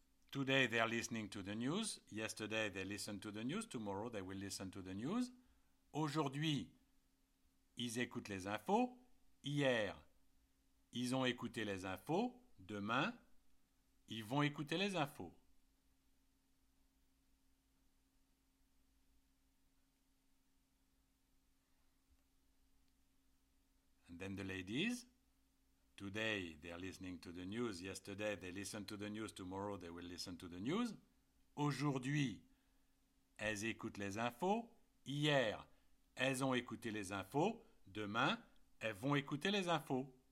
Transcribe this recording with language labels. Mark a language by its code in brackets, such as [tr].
[en] Today they are listening to the news. Yesterday they listened to the news. Tomorrow they will listen to the news. [fr] Aujourd'hui, ils écoutent les infos. Hier, ils ont écouté les infos. Demain, ils vont écouter les infos. [en] then the ladies, today they are listening to the news, yesterday they listened to the news, tomorrow they will listen to the news. [fr] Aujourd'hui, elles écoutent les infos. Hier, elles ont écouté les infos. Demain, elles vont écouter les infos.